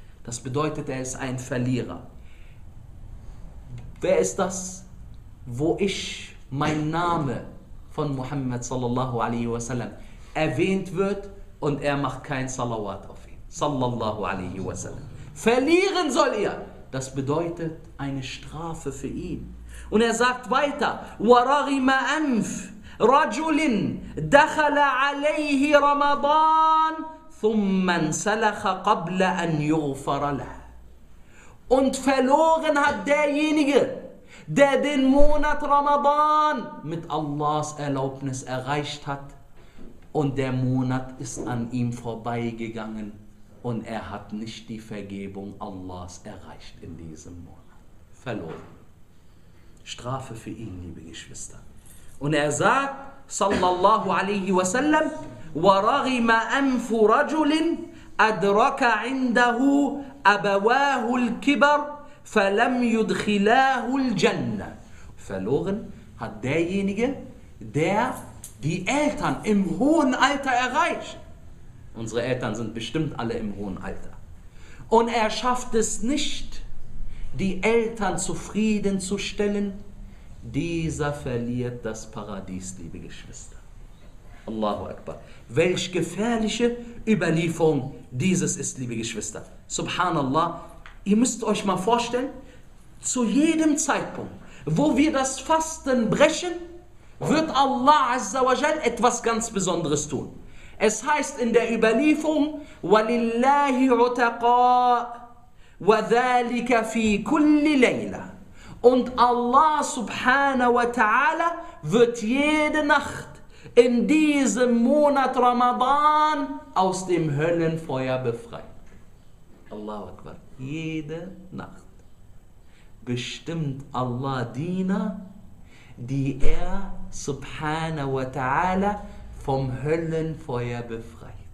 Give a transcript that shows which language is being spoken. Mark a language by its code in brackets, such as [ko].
[de] Das bedeutet, er ist ein Verlierer. Wer ist das, wo ich, mein Name von Muhammad sallallahu alaihi wasallam erwähnt wird und er macht kein Salawat auf? Sallallahu alaihi wasallam. Verlieren soll er. Das bedeutet eine Strafe für ihn. Und er sagt weiter: [ar] وَرَغِمَ أَنْفْ رَجُلٍ دَخَلَ عَلَيْهِ رَمَضَانٍ ثُمَّنْ سَلَخَ قَبْلَ أَنْ يُغْفَرَ لَهُ. [de] Und verloren hat derjenige, der den Monat Ramadan mit Allahs Erlaubnis erreicht hat. Und der Monat ist an ihm vorbeigegangen. Und er hat nicht die Vergebung Allahs erreicht in diesem Monat. Verloren. Strafe für ihn, liebe Geschwister. Und er sagt, [ar] sallallahu alaihi wasallam, وَرَغِمَ أَنْفُ رَجُلٍ أَدْرَكَ عِنْدَهُ أَبَوَاهُ الْكِبَرُ فَلَمْ يُدْخِلَاهُ الْجَنَّةِ. [de] Verloren hat derjenige, der die Eltern im hohen Alter erreicht. Unsere Eltern sind bestimmt alle im hohen Alter. Und er schafft es nicht, die Eltern zufriedenzustellen. Dieser verliert das Paradies, liebe Geschwister. Allahu Akbar. Welch gefährliche Überlieferung dieses ist, liebe Geschwister. Subhanallah. Ihr müsst euch mal vorstellen, zu jedem Zeitpunkt, wo wir das Fasten brechen, wird Allah Azza wa Jal etwas ganz Besonderes tun. Es heißt in der Überlieferung, [ar] وَلِلَّهِ عُتَقَاءُ وَذَلِكَ فِي كُلِّ لَيْلَةٍ. [de] Und Allah subhanahu wa ta'ala wird jede Nacht in diesem Monat Ramadan aus dem Höllenfeuer befreien. Allahu Akbar. Jede Nacht bestimmt Allah Diener, die er subhanahu wa ta'ala vom Höllenfeuer befreit.